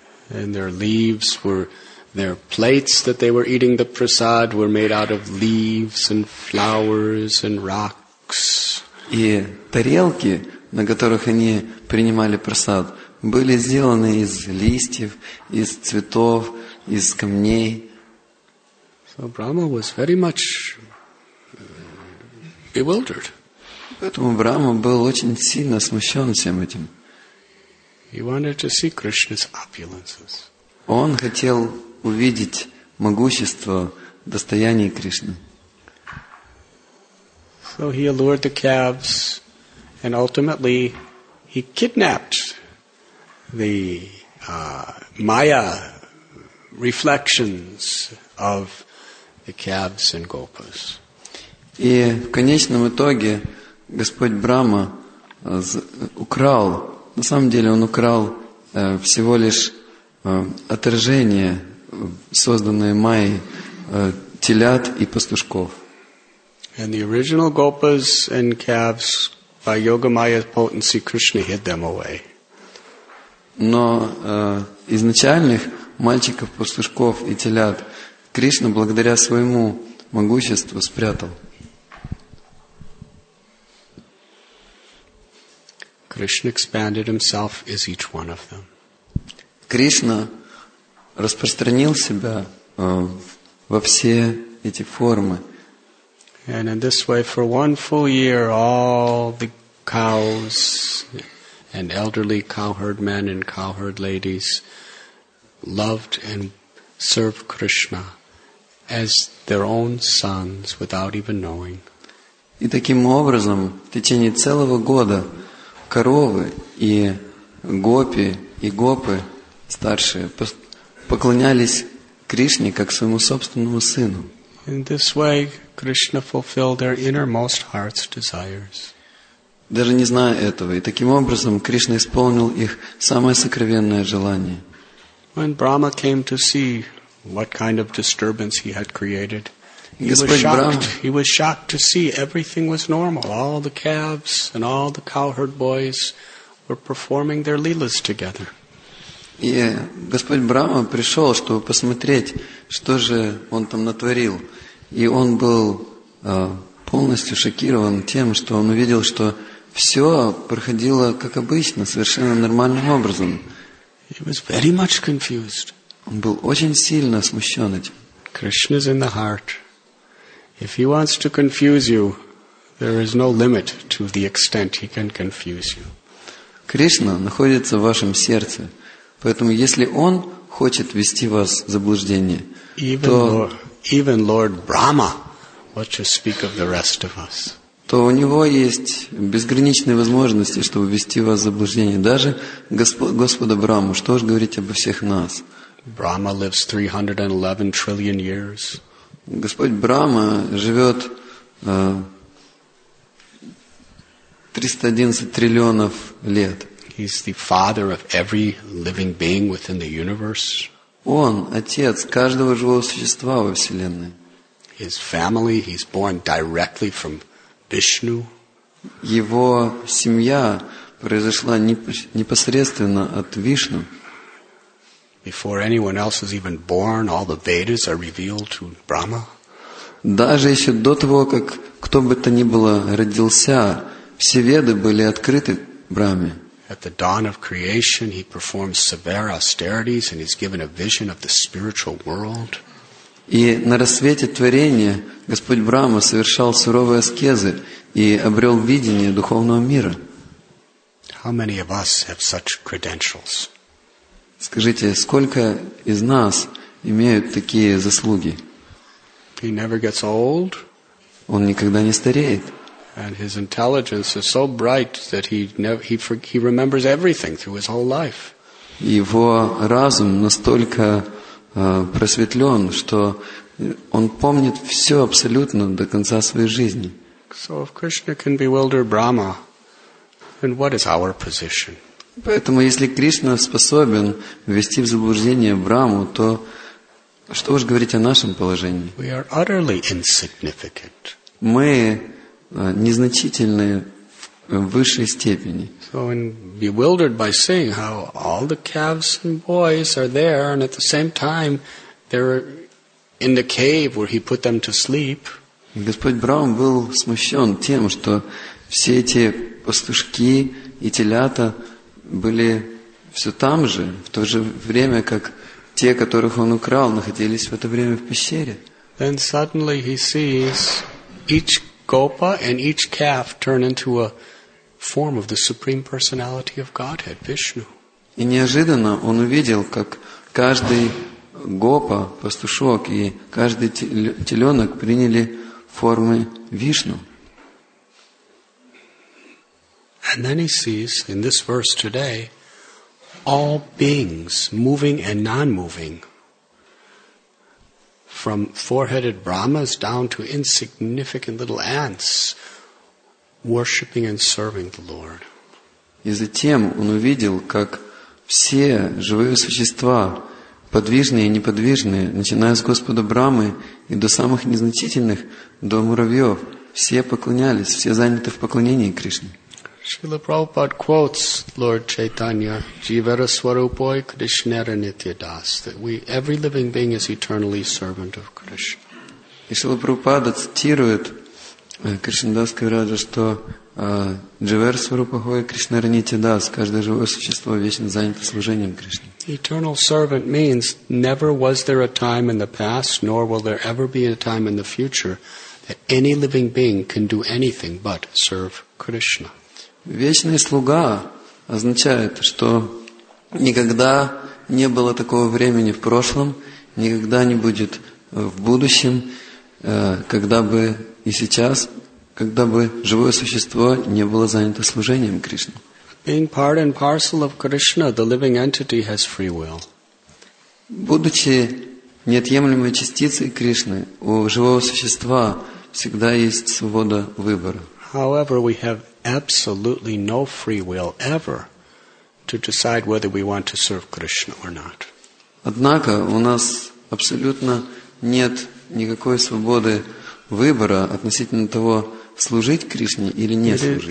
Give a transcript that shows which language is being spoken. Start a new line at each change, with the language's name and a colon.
English: And their leaves were, their plates that they were eating the prasad were made out of leaves and flowers and rocks.
Russian: И тарелки, на которых они принимали прасад, были сделаны из листьев, из цветов, из камней.
English: So Brahma was very much bewildered.
Russian: Поэтому Брахма был очень сильно смущен всем этим.
English: He wanted to see Krishna's opulences.
Russian: Он хотел увидеть могущество, достояние Кришны.
English: So he allured the calves, and ultimately he kidnapped the Maya reflections of the calves and gopas.
Russian: И в конечном итоге Господь Брахма украл, на самом деле он украл всего лишь отражение, созданное Майей, телят и пастушков.
English: And the original gopas and calves, by yoga maya's potency, Krishna hid them away.
Russian: Но изначальных мальчиков, пастушков и телят Кришна благодаря своему могуществу спрятал.
English: Krishna expanded himself as each one of them.
Russian: Кришна распространил себя во все эти формы.
English: And in this way, for one full year, all the cows and elderly cowherd men and cowherd ladies loved and served Krishna as their own sons without even knowing.
Russian: И таким образом, в течение целого года коровы и гопи и гопы старшие поклонялись Кришне как своему собственному сыну.
English: In this way, Krishna fulfilled their innermost heart's desires.
Russian: Даже не зная этого, и таким образом Кришна исполнил их самое сокровенное желание.
English: When Brahma came to see what kind of disturbance he had created, he was shocked to see everything was normal. All the calves and all the cowherd boys were performing their leelas together.
Russian: И Господь Брахма пришел, чтобы посмотреть, что же он там натворил. И он был полностью шокирован тем, что он увидел, что все проходило как обычно, совершенно нормальным образом.
English: He was very much confused.
Russian: Он был очень сильно смущен этим.
English: Krishna is in the heart. If he wants to confuse you, there is no limit to the extent he can confuse you.
Russian: Кришна находится в вашем сердце, поэтому если он хочет ввести вас в заблуждение, то
English: even Lord Brahma, what to speak of the rest of us?
Russian: То у него есть безграничные возможности, чтобы ввести вас в заблуждение. Даже Господа Брахму, что уж говорить обо всех нас.
English: Brahma lives 311 trillion years.
Russian: Господь Брахма живет 311 триллионов лет.
English: He's the father of every living being within the universe.
Russian: Он отец каждого живого существа во вселенной.
English: His family, he's born directly from Vishnu.
Russian: Его семья произошла непосредственно от Вишну.
English: Before anyone else is even born, all the Vedas are revealed to Brahma.
Russian: Даже еще до того, как кто бы то ни было родился, все Веды были открыты Брахме.
English: At the dawn of creation, he performs severe austerities and is given a vision of the spiritual world.
Russian: И на рассвете творения Господь Брахма совершал суровые аскезы и обрел видение духовного мира.
English: How many of us have such credentials?
Russian: Скажите, сколько из нас имеют такие заслуги?
English: He never gets old.
Russian: Он никогда не стареет.
English: And his intelligence is so bright that he remembers everything through his whole life.
Russian: Его разум настолько просветлен, что он помнит все абсолютно до конца своей жизни.
English: So if Krishna can bewilder Brahma, then what is our position?
Russian: Поэтому, если Кришна способен ввести в заблуждение Брахму, то что уж говорить о нашем положении?
English: We are utterly insignificant.
Russian: Мы незначительные в высшей степени.
English: So I'm bewildered by seeing how all the calves and boys are there, and at the same time they're in the cave where he put them to sleep.
Russian: Господь Брахм был смущен тем, что все эти пастушки и телята были все там же, в то же время, как те, которых он украл, находились в это время в пещере.
English: Then suddenly he sees each Gopa and each calf turn into a form of the Supreme Personality of Godhead, Vishnu.
Russian: И неожиданно он увидел, как каждый гопа, пастушок и каждый теленок приняли формы Вишну.
English: And then he sees in this verse today all beings, moving and non-moving, from four-headed Brahmas down to insignificant little ants, worshipping and serving the Lord.
Russian: И затем он увидел, как все живые существа, подвижные и неподвижные, начиная с Господа Брахмы и до самых незначительных, до муравьев, все поклонялись, все заняты в поклонении Кришне.
English: Srila Prabhupada quotes Lord Chaitanya,
Bangla: Jivara Swarupoi Krishnera Nitya Das,
English: that we, every living being is eternally servant of Krishna.
Russian: И Srila Prabhupada цитирует Кришнадаска Раджа, что
Bangla: Jivara Swarupoi Krishnera Nitya Das,
Russian: каждое живое существо вечно занято служением Кришне.
English: Eternal servant means never was there a time in the past, nor will there ever be a time in the future that any living being can do anything but serve Krishna.
Russian: Вечный слуга означает, что никогда не было такого времени в прошлом, никогда не будет в будущем, когда бы и сейчас, когда бы живое существо не было занято служением Кришне.
English: Being part and parcel of Krishna, the living entity has free will.
Russian: Будучи неотъемлемой частицей Кришны, у живого существа всегда есть свобода выбора.
English: However, we have absolutely no free will ever to decide whether we want to serve Krishna or not.
Russian: Однако у нас абсолютно нет никакой свободы выбора относительно того, служить Кришне или не служить.